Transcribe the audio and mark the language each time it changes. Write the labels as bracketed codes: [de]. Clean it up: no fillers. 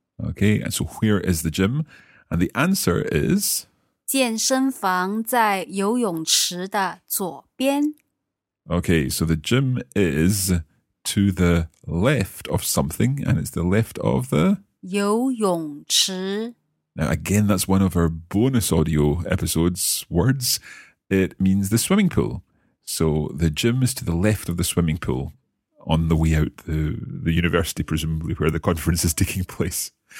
[en] Okay, and so where is the gym? And the answer is... [zh] 健身房在游泳池的左边. [en] Okay, so the gym is to the left of something, and it's the left of the... [zh] 游泳池. [en] Now, again, that's one of our bonus audio episodes words. It means the swimming pool. So the gym is to the left of the swimming pool on the way out the university, presumably, where the conference is taking place.